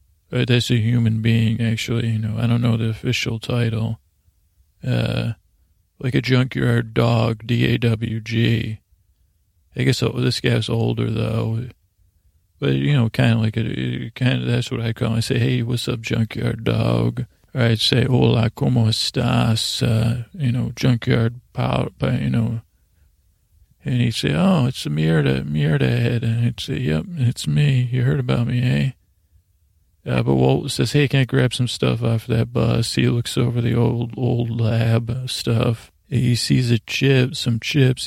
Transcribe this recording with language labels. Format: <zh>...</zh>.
<en>That's a human being, actually, you know. I don't know the official title. Like a junkyard dog, D-A-W-G. I guess this guy's older, though. But, you know, kind of like that's what I call him. I say, hey, what's up, junkyard dog? Or I'd say,</en> <es>hola, ¿cómo estás?</es> <en>You know, junkyard pal, you know. And he'd say, oh, it's a Mierda head. And I'd say, yep, it's me. You heard about me, eh? But Walt says, hey, can I grab some stuff off that bus? He looks over the old lab stuff. He sees some chips.</en>